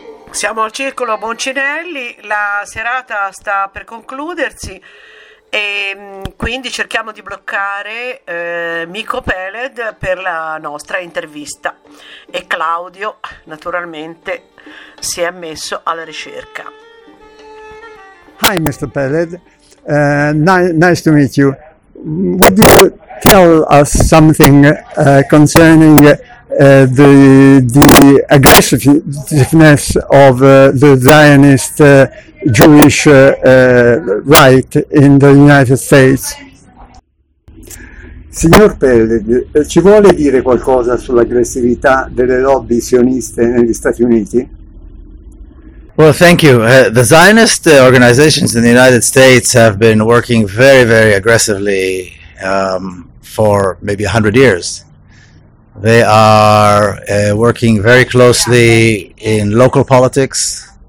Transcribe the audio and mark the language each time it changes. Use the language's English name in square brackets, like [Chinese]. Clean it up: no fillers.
[Italian] Siamo al Circolo Boncinelli, la serata sta per concludersi e quindi cerchiamo di bloccare Mico Peled per la nostra intervista e Claudio naturalmente si è messo alla ricerca. [English] Hi Mr. Peled, nice to meet you. Would you tell us something concerning the aggressiveness of the Zionist Jewish right in the United States? [Italian] Signor Peled, ci vuole dire qualcosa sull'aggressività delle lobby sioniste negli Stati Uniti? [English] Well, thank you. The Zionist organizations in the United States have been working very, very aggressively for maybe 100 years. They are working very closely in local politics.